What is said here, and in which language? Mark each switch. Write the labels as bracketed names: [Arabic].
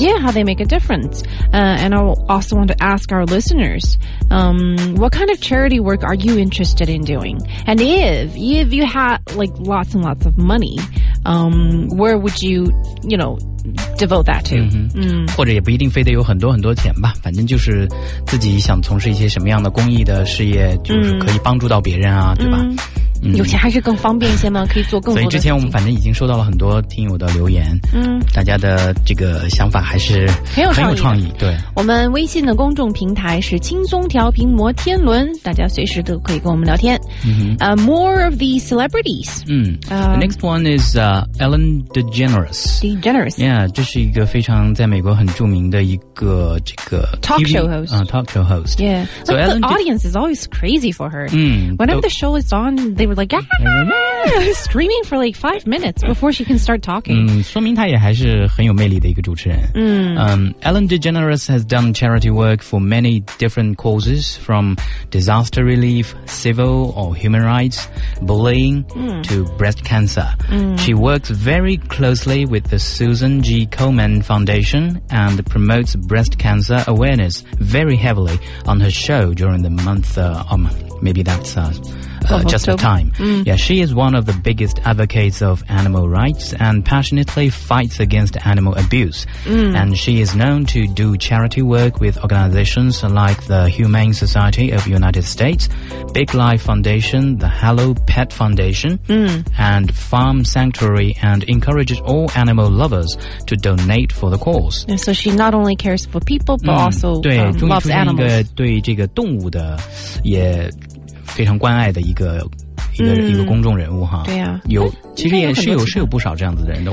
[English] Yeah, how they make a difference. And I also want to ask our listeners, what kind of charity work are you interested in doing? And if you had like lots and lots of money, where would you, you know, devote that to? [Chinese] 或者也不一定非得有很多很多钱吧，反正就是自己想从事一些什么样的公益的事业，就是可以帮助到别人啊，对吧？有钱还是更方便一些吗？可以做更多的。所以之前我们反正已经收到了很多听友的留言，大家的这个想法还是很有创意。对，我们微信的公众平台是轻松调频摩天轮，大家随时都可以跟我们聊天。 [English] More of the celebrities. The next one is Ellen DeGeneres. DeGeneres. [Chinese] Yeah, 这是一个非常在美国很著名的一个这个 [English] talk show host. Talk show host. Yeah. So the audience is always crazy for her. Whenever the show is on, they were like, screaming for like 5 minutes before she can start talking. [Chinese] 说明她也还是很有魅力的一个主持人。 [English] Ellen DeGeneres has done charity work for many different causes, from disaster relief, civil or human rights, bullying, to breast cancer. She works very closely with the Susan G. Komen Foundation and promotes breast cancer awareness very heavily on her show during the month, maybe that's... just the time. Yeah, she is one of the biggest advocates of animal rights and passionately fights against animal abuse. And she is known to do charity work with organizations like the Humane Society of United States, Big Life Foundation, the Hello Pet Foundation, and Farm Sanctuary, and encourages all animal lovers to donate for the cause. And so she not only cares for people, but also loves animals. [Chinese] 对，终于出现一个对这个动物的也非常关爱的一个公众人物哈，对呀、有其实也是有不少这样子的人的。